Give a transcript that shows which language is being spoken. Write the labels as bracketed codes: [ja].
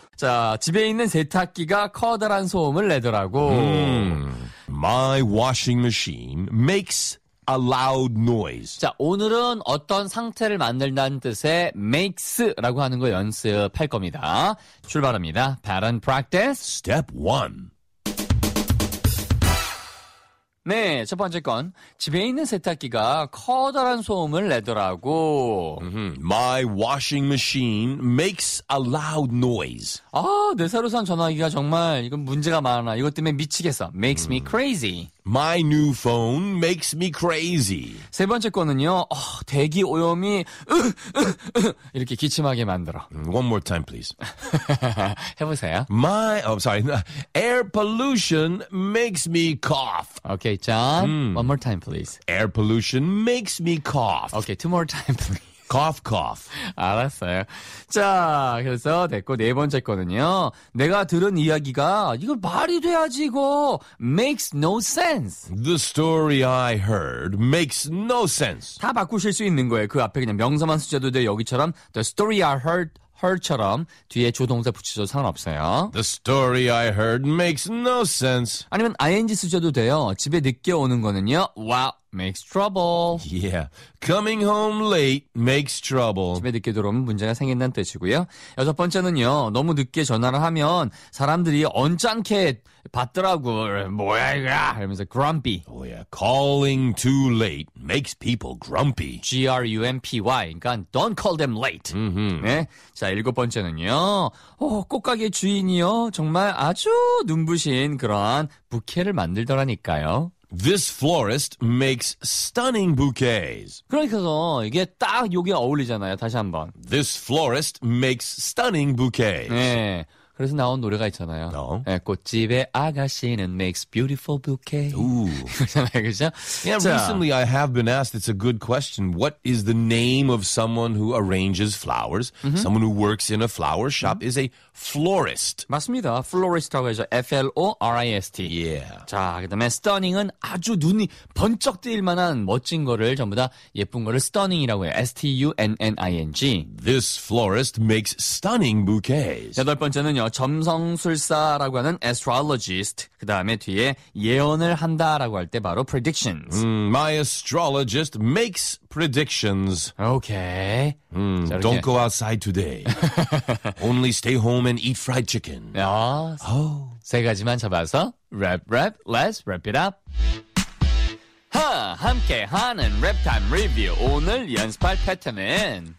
[ko] 자, 집에 있는 세탁기가 커다란 소음을 내더라고. [en] My washing machine makes a loud noise. [ko] 자, 오늘은 어떤 상태를 만든다는 뜻의 makes라고 하는 거 연습할 겁니다. 출발합니다. [en] Pattern practice. Step 1. [ko] 네, 첫 번째 건 집에 있는 세탁기가 커다란 소음을 내더라고. [en] My washing machine makes a loud noise. [ko] 아, 내 새로 산 전화기가 정말 이건 문제가 많아. 이것 때문에 미치겠어. [en] Makes me crazy. My new phone makes me crazy. [ko] 세 번째 거는요. 어, 대기 오염이 이렇게 기침하게 만들어. [en] One more time, please. 해보세요. My, oh, sorry. Air pollution makes me cough. Okay, John. One more time, please. Air pollution makes me cough. Okay, two more times, please. Cough, cough. [ko] 알았어요. 자, 그래서 됐고 네 번째 거는요. 내가 들은 이야기가 이거 말이 돼야지 이거. [en] Makes no sense. The story I heard makes no sense. [ko] 다 바꾸실 수 있는 거예요. 그 앞에 그냥 명사만 쓰셔도 돼요. 여기처럼 [en] The story I heard. [ko] Her처럼 뒤에 조동사 붙이셔도 상관없어요. [en] The story I heard makes no sense. [ko] 아니면 ing 쓰셔도 돼요. 집에 늦게 오는 거는요. [en] Wow, makes trouble. Yeah, coming home late makes trouble. [ko] 집에 늦게 들어오면 문제가 생긴다는 뜻이고요. 여섯 번째는요. 너무 늦게 전화를 하면 사람들이 언짢게 받더라고. 뭐야 이거야? 하면서 grumpy. [en] Oh yeah, calling too late makes people grumpy. G-R-U-M-P-Y. [ko] 그러니까 [en] don't call them late. Mm-hmm. [ko] 네. 자, 일곱 번째는요. 어, 꽃가게 주인이요. 정말 아주 눈부신 그런 부케를 만들더라니까요. [en] This florist makes stunning bouquets. [ko] 그러니까서 이게 딱 여기에 어울리잖아요. 다시 한번. [en] This florist makes stunning bouquets. [ko] 네. 그래서 나온 노래가 있잖아요. [en] No. [ko] 네, 꽃집의 아가씨는 [en] makes beautiful bouquet. [ko] 그렇잖아요, 그렇죠? [en] Yeah, [ko] 자, [en] recently I have been asked, it's a good question, what is the name of someone who arranges flowers? Mm-hmm. Someone who works in a flower shop mm-hmm. is a florist. [ko] 맞습니다. Florist라고 해서 F-L-O-R-I-S-T. [en] Yeah. [ko] 자, 그 다음에 stunning은 아주 눈이 번쩍 뜨일 만한 멋진 거를 전부 다 예쁜 거를 stunning이라고 해요. [en] S-T-U-N-N-I-N-G. This florist makes stunning bouquets. [ko] 여덟 번째는 점성술사라고 하는 astrologist 그 다음에 뒤에 예언을 한다라고 할 때 바로 predictions. [en] My astrologist makes predictions. Okay. Don't go outside today. Only stay home and eat fried chicken. [ko] 아, 세 가지만 잡아서 [en] wrap wrap let's wrap it up. [ko] 함께하는 랩타임 리뷰 오늘 연습할 패턴은